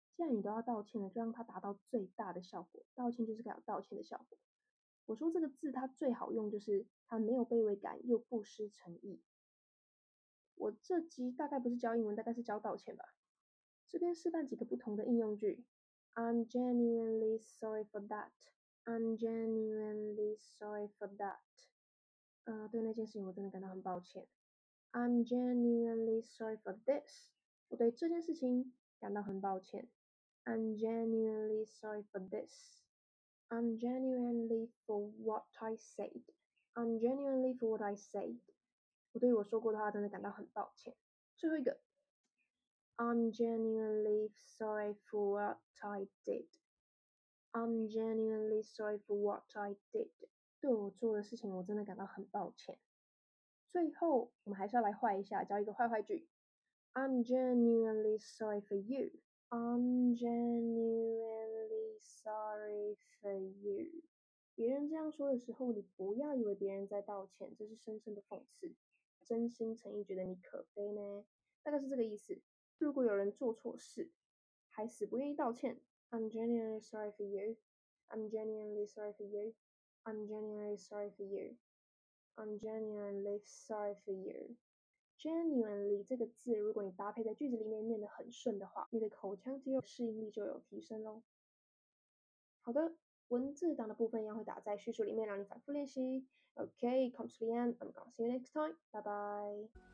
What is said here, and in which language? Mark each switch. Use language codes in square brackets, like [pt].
[zh] 既然你都要道歉了，就让它达到最大的效果。道歉就是该有道歉的效果。我说这个字它最好用，就是它没有卑微感，又不失诚意。我这集大概不是教英文，大概是教道歉吧。这边示范几个不同的应用句。 [en] I'm genuinely sorry for that. I'm genuinely sorry for that. [zh] 对那件事情我真的感到很抱歉。 [en] I'm genuinely sorry for this. [zh] 我对这件事情感到很抱歉。 [en] I'm genuinely sorry for this. I'm genuinely for what I said. I'm genuinely for what I said. [zh] 我对我说过的话真的感到很抱歉。最后一个。 [en] I'm genuinely sorry for what I did. I'm genuinely sorry for what I did. [zh] 对我做的事情我真的感到很抱歉。最后我们还是要来坏一下，教一个坏坏句。 [en] I'm genuinely sorry for you. I'm genuinely sorry for you. [zh] 别人这样说的时候，你不要以为别人在道歉，这是深深的讽刺。真心诚意觉得你可悲呢，大概是这个意思。如果有人做错事还死不愿意道歉， [en] I'm genuinely sorry for you. I'm genuinely sorry for you. I'm genuinely sorry for you. I'm genuinely sorry for you. [zh] Genuinely 这个字，如果你搭配在句子里面念得很顺的话，你的口腔肌肉适应力就有提升咯。好的，文字档的部分一样会打在叙述里面，让你反复练习。 [en] Okay, come to the end. I'm gonna see you next time. Bye bye.